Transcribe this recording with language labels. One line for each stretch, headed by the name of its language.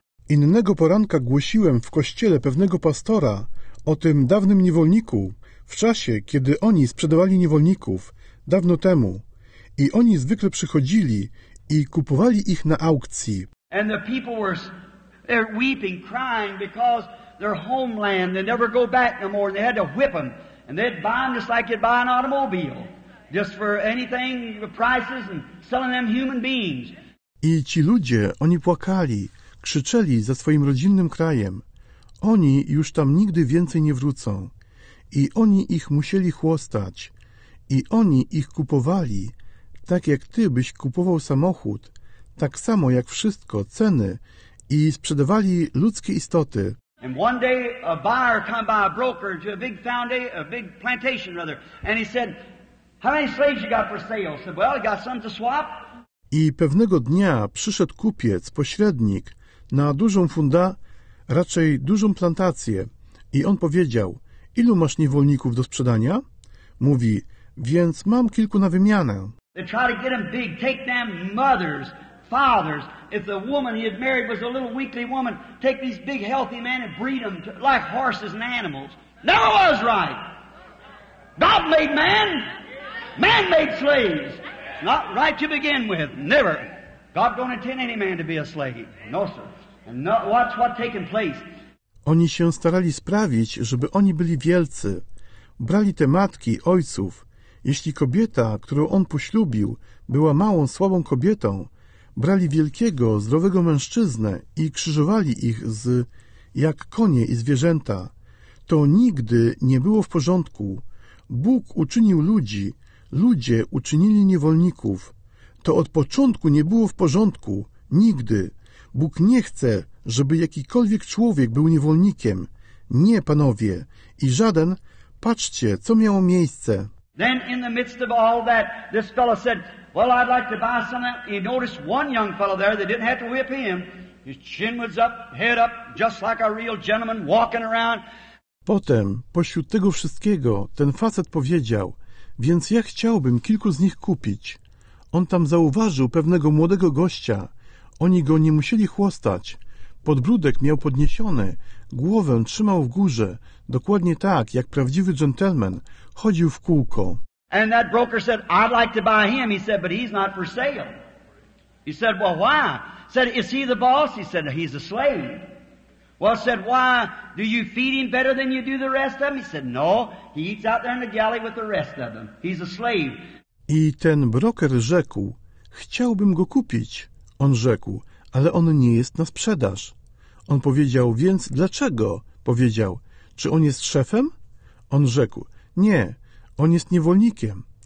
Polish: Innego poranka głosiłem w kościele pewnego pastora o tym dawnym niewolniku, w czasie, kiedy oni sprzedawali niewolników, dawno temu. I oni zwykle przychodzili i kupowali ich na aukcji.
English: And the people were weeping, crying because their homeland, they never go back no more. They had to whip them. And they'd buy them just like you'd buy an automobile. Just for anything, the prices, and selling them human beings.
Polish: I ci ludzie, oni płakali, krzyczeli za swoim rodzinnym krajem. Oni już tam nigdy więcej nie wrócą. I oni ich musieli chłostać. I oni ich kupowali. Tak jak ty byś kupował samochód, tak samo jak wszystko, ceny, i sprzedawali ludzkie istoty.
English: And one day a buyer come by a broker to a big plantation rather, and he said, How many slaves you got for sale? Said, well, I got some to swap.
Polish: I pewnego dnia przyszedł kupiec, pośrednik, na dużą funda, raczej dużą plantację. I on powiedział, ilu masz niewolników do sprzedania? Mówi, więc mam kilku na wymianę.
English: They try to get them big, take them mothers, fathers. If the woman he had married was a little weakly woman, take these big healthy men and breed them to, like horses and animals. Never was right. God made man. Man made slaves. Not right to begin with. Never. God don't intend any man to be a slave. No, sir. And no, watch what's taking place.
Polish: Oni się starali sprawić, żeby oni byli wielcy. Brali te matki, ojców. Jeśli kobieta, którą on poślubił, była małą, słabą kobietą, brali wielkiego, zdrowego mężczyznę i krzyżowali ich z, jak konie i zwierzęta. To nigdy nie było w porządku. Bóg uczynił ludzi, ludzie uczynili niewolników. To od początku nie było w porządku, nigdy. Bóg nie chce, żeby jakikolwiek człowiek był niewolnikiem. Nie, panowie, i żaden, patrzcie, co miało miejsce.
English: Then in the midst of all that, this fellow said, well, I'd like to buy some. He noticed one young fellow there, they didn't have to whip him. His chin was up, head up, just like a real gentleman walking around.
Polish: Potem, pośród tego wszystkiego, ten facet powiedział, więc ja chciałbym kilku z nich kupić. On tam zauważył pewnego młodego gościa. Oni go nie musieli chłostać. Podbródek miał podniesiony, głowę trzymał w górze, dokładnie tak, jak prawdziwy dżentelmen, chodził w kółko.
English: And that broker said, I'd like to buy him. He said, but he's not for sale. He said, well, why? Said, is he the boss? He said, he's a slave. Well, said, why? Do you feed him better than you do the rest of them? He said, no, he eats out there in the galley with the rest of them. He's a slave.
Polish: I ten broker rzekł, chciałbym go kupić. On rzekł, ale on nie jest na sprzedaż. On powiedział, więc dlaczego? Powiedział, czy on jest szefem? On rzekł, nie, on jest niewolnikiem.